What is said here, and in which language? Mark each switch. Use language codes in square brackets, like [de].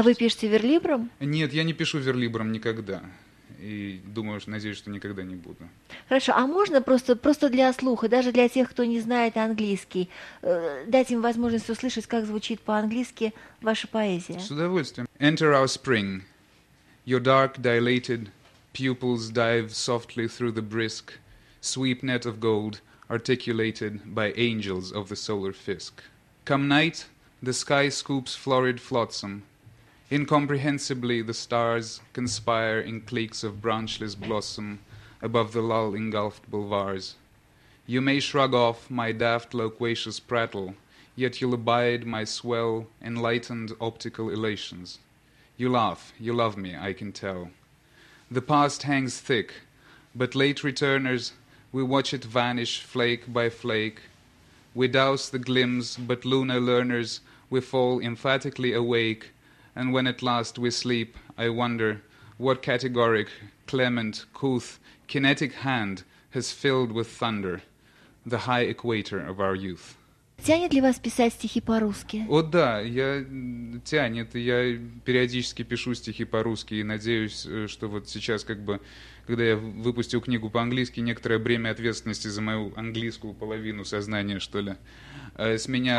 [ru] А вы пишете верлибром? Нет, я не пишу верлибром никогда. И думаю, что, надеюсь, что никогда не буду. Хорошо, а можно просто для слуха, даже для тех, кто не знает английский, дать им возможность услышать, как звучит по-английски ваша поэзия? С удовольствием. [en] Enter our spring. Your dark dilated pupils dive softly through the brisk sweep net of gold articulated by angels of the solar fisk. Come night, the sky scoops florid flotsam. Incomprehensibly, the stars conspire in cliques of branchless blossom above the lull engulfed boulevards. You may shrug off my daft loquacious prattle, yet you'll abide my swell, enlightened optical elations. You laugh, you love me, I can tell. The past hangs thick, but late returners, we watch it vanish flake by flake. We douse the glims, but lunar learners, we fall emphatically awake. And when at last we sleep, I wonder what categoric, clement, couth, kinetic hand has filled with thunder the high equator of our youth. [ru] Тянет ли вас писать стихи по-русски? О, да, я тянет. Я периодически пишу стихи по-русски и надеюсь, что вот сейчас, как бы, когда я выпустил книгу по-английски, некоторое бремя ответственности за мою английскую половину сознания, что ли, с меня...